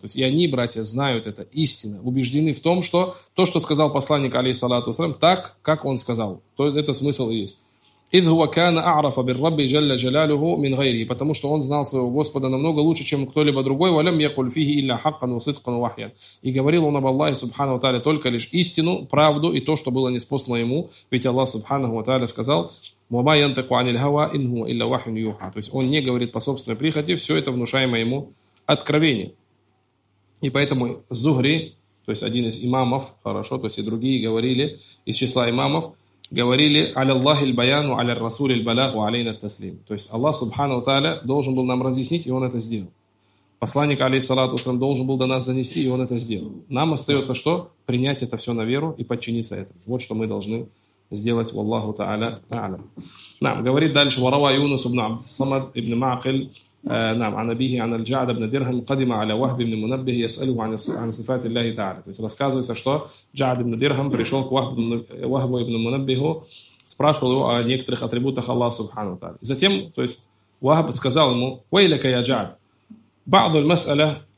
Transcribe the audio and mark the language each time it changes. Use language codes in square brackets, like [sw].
[ru] То есть, и они, братья, знают это истинно, убеждены в том, что то, что сказал посланник, алейхиссалату вассалям, так, как он сказал. То это смысл и есть. [ar] إِذْ هُوَ كَانَ أَعْرَفَ بِالرَّبِّ جَلَّ جَلَالُهُ مِنْ غَيْرِهِ. [ru] Потому что он знал своего Господа намного лучше, чем кто-либо другой. [ar] وَلَمْ يَقُلْ فِيهِ إِلَّا حَقًّا وَصِدْقًا وَحْيًا. [ru] И говорил он об Аллахе Субхану Тааля только лишь истину, правду и то, что было ниспослано ему. Ведь Аллах Субхану Тааля сказал: [ar] وَمَا يَنْتَقُ عَنِ الْهَوَىٰ إِنْ هُوَ إِلَّا وَحْيٌ يُوحَىٰ. [ru] То есть он не говорит по собственной прихоти, все это внушаемое ему откровение. И поэтому Зухри, то есть один из имамов, хорошо, то есть и другие говорили, из числа имамов, говорили [ar] عَلَى اللَّهِ الْبَيَانُ وَعَلَى الرَّسُولِ الْبَلَاغُ وَعَلَيْنَا التَّسْلِيمُ. [ru] То есть Аллах Субхану Тааля должен был нам разъяснить, и он это сделал. Посланник, алейхиссалату вассалям, должен был до нас донести, и он это сделал. Нам остается что? Принять это все на веру и подчиниться этому. Вот что мы должны сделать, [ar] والله تعالى أعلم. نعم. [ru] Говорит дальше: [ar] وروى يونس بن عبد الصمد بن معقل نعم عن أبيه عن الجعد بن درهم قدم على وهب بن منبه يسأله عن صفات الله تعالى. [ru] То есть рассказывается, что Джад ибн Дирхам пришел к Вахбу ибн Мунаббиху, спрашивал его о некоторых атрибутах Аллаха Субхану Тааля. Затем, то есть Вахб сказал ему: [ar] ويلك يا جعد بعض المسألة.